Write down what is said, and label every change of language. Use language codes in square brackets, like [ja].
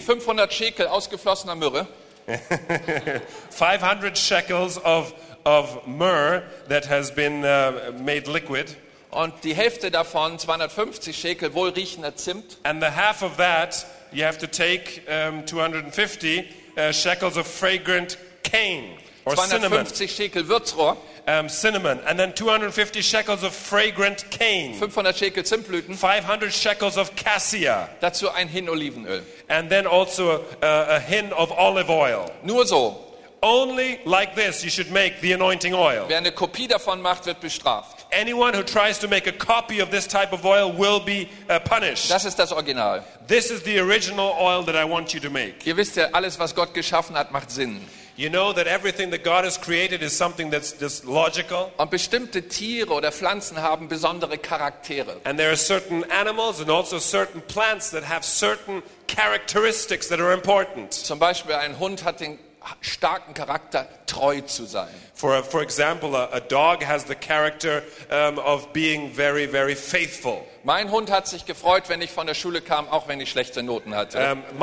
[de] 500 Shekel ausgeflossener Myrrhe. [en] 500 shekels of myrrh that has been made liquid. [de] Und die Hälfte davon, 250 Shekel, wohlriechender Zimt. [en] And the half of that, you have to take 250 shekels of fragrant cane or 250 cinnamon. [de] Shekel Würzrohr. [en] Cinnamon, and then 250 shekels of fragrant cane. [de] 500 Shekel Zimtblüten. [en] 500 shekels of cassia. [de] Dazu ein Hin Olivenöl. [en] And then also a hin of olive oil. [de] Nur so. [en] Only like this you should make the anointing oil. [de] Wer eine Kopie davon macht, wird bestraft. [en] Anyone who tries to make a copy of this type of oil will be punished. [de] Das ist das Original. [en] This is the original oil that I want you to make. [de] Ihr wisst ja, alles was Gott geschaffen hat, macht Sinn. [en] You know that everything that God has created is something that's just logical. [de] Und bestimmte Tiere oder Pflanzen haben besondere Charaktere. [en] And there are certain animals and also certain plants that have certain characteristics that are important. [de] Zum Beispiel ein Hund hat den starken Charakter, treu zu sein. [en] For example, a dog has the character of being very, very faithful. [de] Mein Hund hat sich gefreut, wenn ich von der Schule kam, auch wenn ich schlechte Noten hatte.